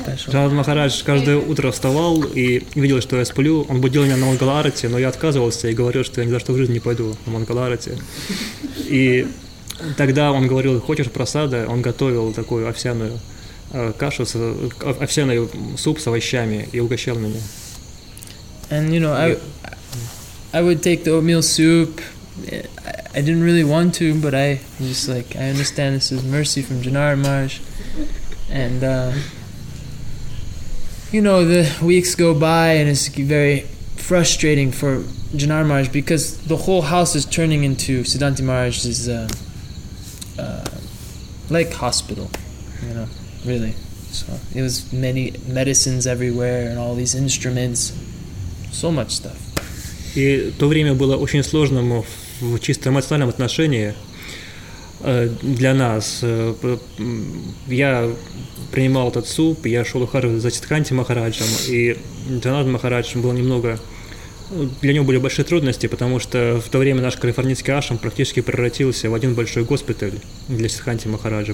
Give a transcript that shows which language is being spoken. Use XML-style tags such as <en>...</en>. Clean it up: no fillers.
<ru>Джанардан Махарадж каждое утро вставал и видел, что я сплю. Он будил меня на Мангал Арати, но я отказывался и говорил, что я ни за что в жизни не пойду на Мангал Арати. И тогда он говорил, хочешь просада? Он готовил такую овсяную кашу, овсяный суп с овощами и угощал меня.</ru> <en>And, you know, I would take the oatmeal soup. I didn't really want to, but I'm just like, I understand this is mercy from Janardan Maharaj. And, you know, the weeks go by and it's very frustrating for Janar Maharaj because the whole house is turning into Siddhanti Maharaj's like hospital, you know, really. So it was many medicines everywhere and all these instruments, so much stuff.</en> <ru>И то время было очень сложным в чисто эмоциональном отношении для нас. Я принимал этот суп, я шел ухаживать за Читканти Махараджем, и Джанард Махарадж был немного... Для него были большие трудности, потому что в то время наш калифорнийский ашрам практически превратился в один большой госпиталь для Читканти Махараджа.</ru>